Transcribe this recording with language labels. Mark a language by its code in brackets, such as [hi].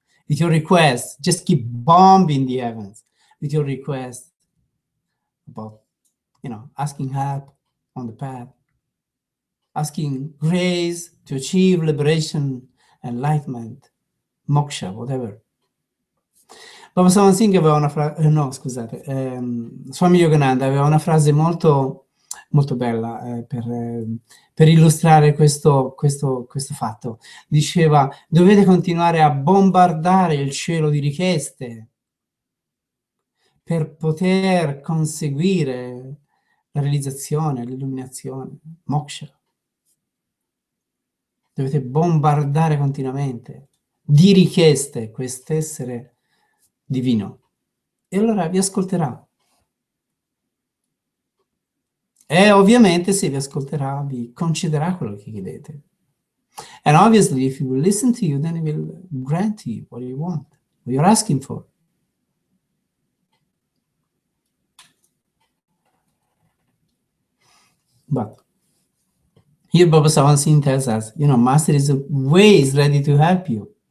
[en] With your request, just keep bombing the heavens with your request about, you know, asking help on the path, asking grace to achieve liberation, enlightenment, moksha, whatever. [it] Baba Sawan Singh aveva una frase, no, scusate, Swami Yogananda aveva una frase molto, molto bella per illustrare questo fatto. Diceva: dovete continuare a bombardare il cielo di richieste per poter conseguire la realizzazione, l'illuminazione, moksha. Dovete bombardare continuamente di richieste quest'essere divino. E allora vi ascolterà. E ovviamente se vi ascolterà, vi concederà quello che chiedete. [en] And obviously, if he will listen to you, then he will grant you what you want, what you're asking for. But here Baba Sawan Singh tells us, you know, Master is always ready to help you.